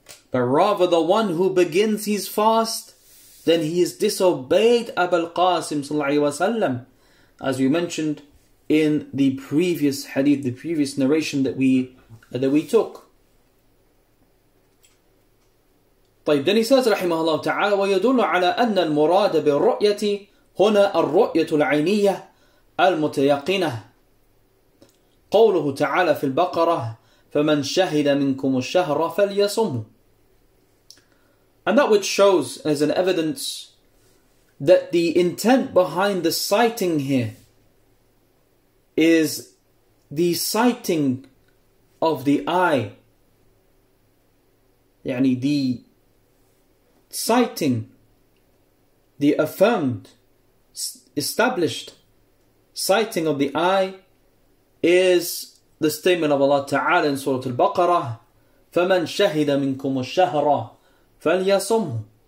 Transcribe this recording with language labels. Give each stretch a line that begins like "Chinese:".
English: But rather the one who begins his fast, then he has disobeyed Abu al-Qasim sallallahu alayhi wa sallam, as we mentioned in the previous hadith, the previous narration that we took.
Arabic: طيب,
English: then he says,
Arabic: رحمه الله تعالى, وَيَدُلُّ عَلَىٰ أَنَّ الْمُرَادَ بِالرُّؤْيَةِ هُنَا الرُّؤْيَةُ الْعَيْنِيَةِ المتيقنة قوله تعالى في البقرة فمن شهد منكم الشهر فليصم.
English: And that which shows as an evidence that the intent behind the sighting here is the sighting of the eye, يعني the sighting, the affirmed, established sighting of the eye is the statement of Allah Ta'ala in Surah Al-Baqarah,
Arabic: فَمَنْ شَهِدَ مِنْكُمُ الشَّهْرَ فَلْيَصُمْهُ.